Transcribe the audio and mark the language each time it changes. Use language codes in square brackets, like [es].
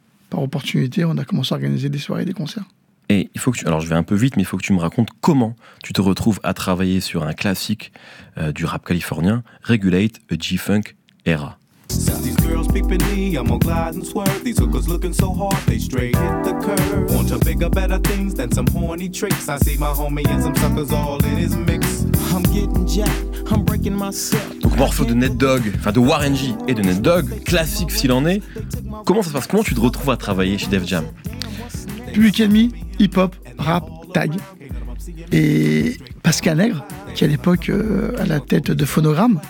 [fr] Par opportunité, on a commencé à organiser des soirées, des concerts. Et il faut que tu... Alors, je vais un peu vite, mais il faut que tu me racontes comment tu te retrouves à travailler sur un classique du rap californien, Regulate, a G-Funk [en] Era. These girls peeping me, I'm on glide and swerve. These hookers looking so hard, they straight hit the curve. Want to bigger, better things than some horny tricks. I see my homie and some suckers all in his mix. I'm getting jacked, I'm breaking myself. [fr] Donc morceau de Ned Dogg, enfin de Warren G et de Ned Dogg, classique s'il en est. Comment ça se passe? Comment tu te retrouves à travailler chez Def Jam? Public Enemy, hip-hop, rap, tag. Et Pascal Nègre, qui à l'époque à la tête de Phonogramme.